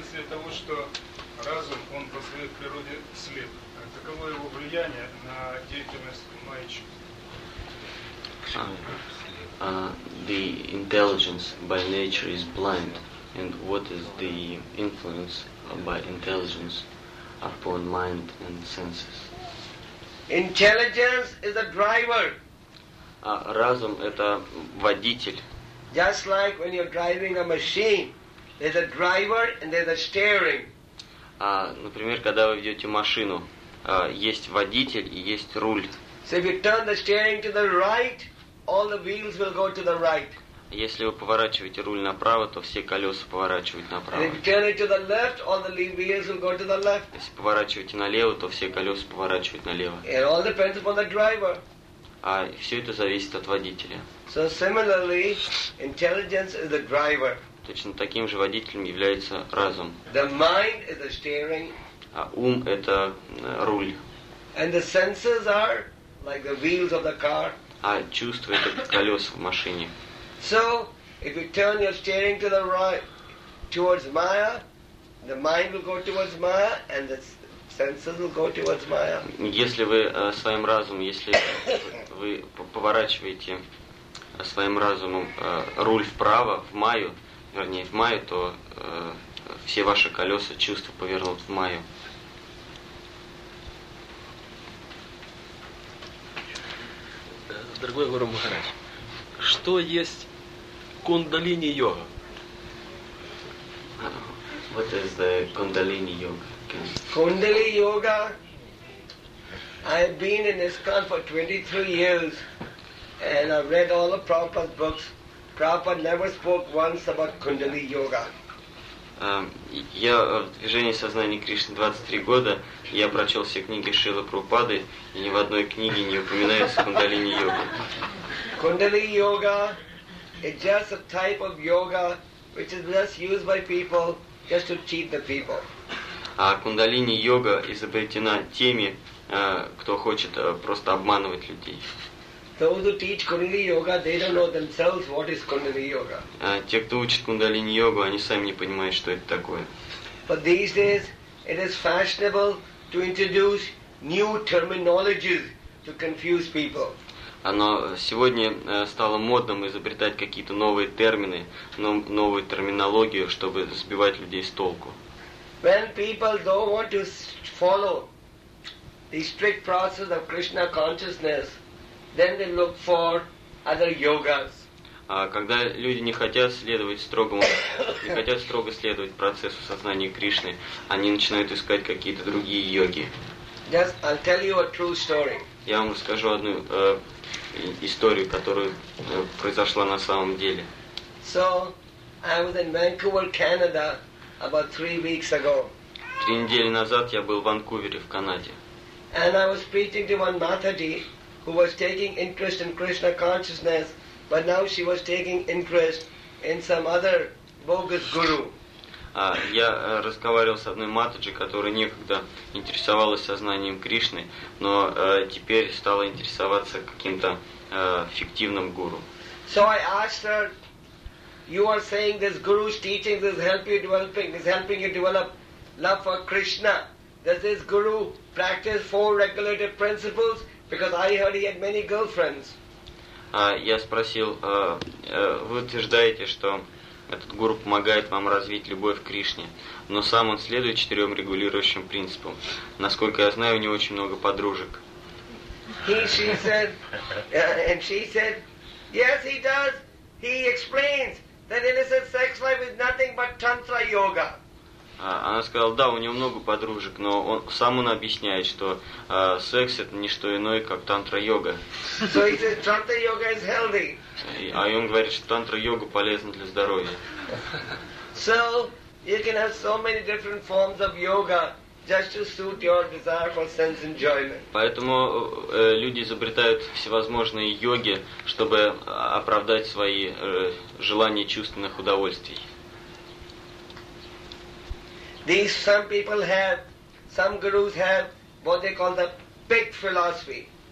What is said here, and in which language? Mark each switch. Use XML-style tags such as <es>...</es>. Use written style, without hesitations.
<ru>Того, что разум, он по своей природе слеп. Каково его влияние на деятельность ума и чувств?</ru> <en>The intelligence by nature is blind. And what is the influence by intelligence upon mind and senses? Intelligence is a driver.</en> <ru>Разум – это водитель.</ru> <en>Just like when you're driving a machine, there's a driver and there's a steering.</en> <ru>Например, когда вы ведете машину, есть водитель и есть руль.</ru> <en>So if you turn the steering to the right, all the wheels will go to the right.</en> <ru>Если вы поворачиваете руль направо, то все колеса поворачивают направо.</ru> <en>And if you turn it to the left, all the wheels will go to the left.</en> <ru>Если поворачиваете налево, то все колеса поворачивают налево.</ru> <en>It all depends upon the driver.</en> <ru>Все это зависит от водителя.</ru> <en>So similarly, intelligence is the driver.</en> <ru>Точно таким же водителем является разум.</ru> <en>The mind is the steering.</en> <ru>Ум – это руль.</ru> <en>And the senses are like the wheels of the car.</en> <ru>Чувства – это колеса в машине.</ru> <en>So, if you turn your steering to the right, towards Maya, the mind will go towards Maya, and the senses will go towards Maya.</en> <ru>Если вы своим разумом, если вы поворачиваете своим разумом руль вправо, в Маю, вернее, в Маю, то все ваши колеса, чувства повернут в Маю. Здравствуйте. дорогой Гуру Махарадж, что есть кундалини-йога?</ru> <en>What is the kundalini-йога? Kundalini-йога? I've been in this country for 23 years, and I've read all the Prabhupada's books. Prabhupada never spoke once about kundalini-йога.</en> <ru>Я в движении сознания Кришны 23 года, я прочел все книги Шрилы Прабхупады, и ни в одной книге не упоминается кундалини-йога.</ru> <en>Кундалини-йога – it's just a type of yoga which is just used by people just to cheat the people.</en> <ru>А кундалини-йога изобретена теми, кто хочет просто обманывать людей.</ru> <en>Those who teach kundalini-yoga, they don't know themselves what is kundalini-yoga.</en> <ru>Те, кто учит кундалини-йогу, они сами не понимают, что это такое.</ru> <en>But these days, it is fashionable to introduce new terminologies to confuse people.</en> <ru>Оно сегодня стало модным изобретать какие-то новые термины, новую терминологию, чтобы сбивать людей с толку.</ru> <en>When people don't want to follow the strict process of Krishna consciousness, then they look for other yogas.</en> <ru>Когда люди не хотят следовать строгому, не хотят строго следовать процессу сознания Кришны, они начинают искать какие-то другие йоги.</ru> <en>Yes, I'll tell you a true story.</en> <ru>Я вам расскажу одну историю, которая произошла на самом деле.</ru> <en>So, I was in Vancouver, Canada, about 3 weeks ago.</en> <ru>3 недели назад я был в Ванкувере, в Канаде.</ru> <en>And I was preaching to one Mataji, who was taking interest in Krishna consciousness, but now she was taking interest in some other bogus guru.</en> <ru>Я разговаривал с одной матаджи, которая некогда интересовалась сознанием Кришны, но теперь стала интересоваться каким-то фиктивным гуру.</ru> <en>So I asked her, you are saying this guru's teachings is helping you develop love for Krishna. Does this guru practice 4 regulative principles? Because I heard he had many girlfriends.</en> <ru>Я спросил, вы утверждаете, что этот гуру помогает вам развить любовь к Кришне, но сам он следует 4 регулирующим принципам. Насколько я знаю, у него очень много подружек.</ru> <en>She said, yes, he does. He explains that innocent sex life is nothing but tantra yoga.</en> <ru>Она сказала, да, у него много подружек, но он, сам он объясняет, что секс – это не что иное, как тантра-йога.</ru> <en>So he says, tantra-yoga is healthy.</en> <ru>А он говорит, что тантра-йога полезна для здоровья.</ru> <en>So, you can have so many different forms of yoga just to suit your desire for sense enjoyment.</en> <ru>Поэтому люди изобретают всевозможные йоги, чтобы оправдать свои желания чувственных удовольствий.</ru> <en>These some people have, some gurus have what they call the pig philosophy.</en>